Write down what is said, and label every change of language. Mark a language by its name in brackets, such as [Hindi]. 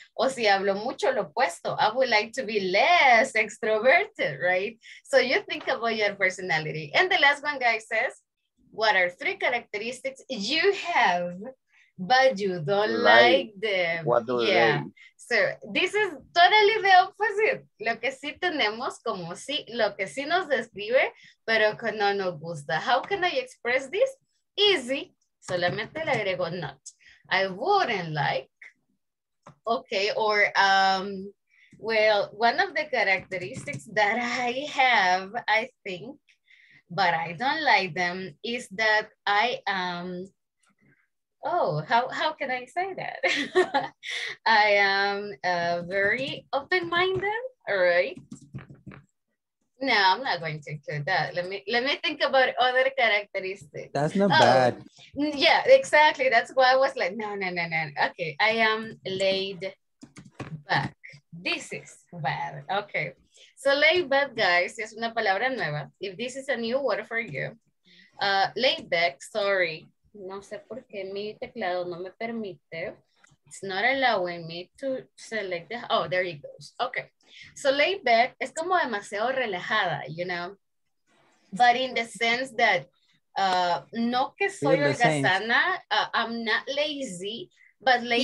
[Spanish] O si hablo mucho, lo opuesto, [English] I would like to be less extroverted, right? So you think about your personality. And the last one, guys, says, what are three characteristics you have, but you don't like them? What do you mean? So this is totally the opposite. [Spanish] Lo que sí tenemos como sí, lo que sí nos describe, pero que no nos gusta. [English] How can I express this? Easy. [Spanish] Solamente le agrego [English] not. I wouldn't like. Okay, or well, one of the characteristics that I have, I think, but I don't like them, is that I am, how can I say that? I am very open-minded, all right? No, I'm not going to include that. Let me think about other characteristics. That's not bad. Yeah, exactly. That's why I was like, no. Okay, I am laid back. This is bad. Okay. So laid back, guys, [Spanish] es una palabra nueva. [English] If this is a new word for you, laid back, sorry. [Spanish] No sé por qué mi teclado no me permite. [English] It's not allowing me to select the, oh, there it goes. Okay. So laid back [Spanish] es como demasiado relajada, [English] you know? But in the sense that, [Spanish] no que soy holgazana, [English] I'm not lazy, but laid